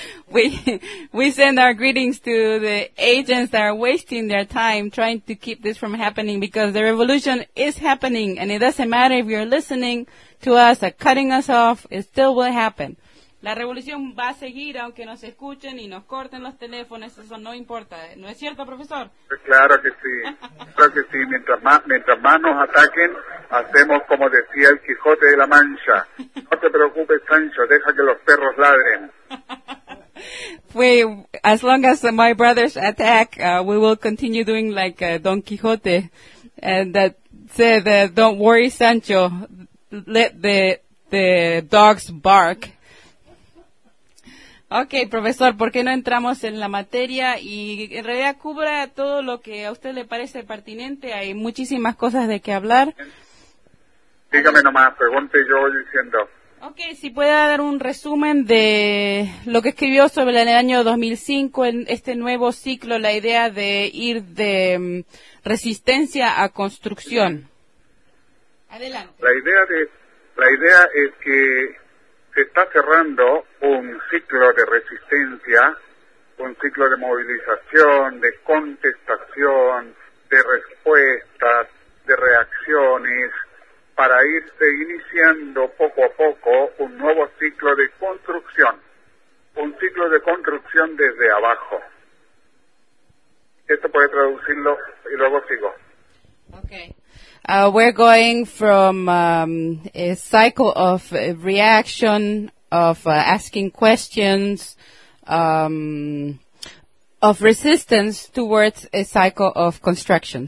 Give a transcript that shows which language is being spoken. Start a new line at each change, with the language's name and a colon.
English: We send our greetings to the agents that are wasting their time trying to keep this from happening because the revolution is happening, and it doesn't matter if you're listening to us or cutting us off, it still will happen.
Spanish: La revolución va a seguir aunque nos escuchen y nos corten los teléfonos, eso no importa, ¿no es cierto, profesor? Claro que sí, claro que sí. Mientras más nos ataquen, hacemos como decía el Quijote de la Mancha. No te preocupes, Sancho, deja que los perros ladren.
English: We, as long as my brothers attack, we will continue doing like Don Quixote, and that said, don't worry, Sancho, let the dogs bark.
Spanish: Okay, profesor, ¿por qué no entramos en la materia? Y en realidad cubra todo lo que a usted le parece pertinente, hay muchísimas cosas de qué hablar. Dígame nomás, pregunte yo diciendo... Okay, si puede dar un resumen de lo que escribió sobre el año 2005, en este nuevo ciclo, la idea de ir de resistencia a construcción. Adelante. La idea es que se está cerrando un ciclo de resistencia, un ciclo de movilización, de contestación, de respuestas, de reacciones, para irse iniciando poco a poco un nuevo ciclo de construcción, un ciclo de construcción desde abajo. Esto puede traducirlo y luego sigo. Okay.
English: We're going from a cycle of reaction, of asking questions, of resistance towards a cycle of construction.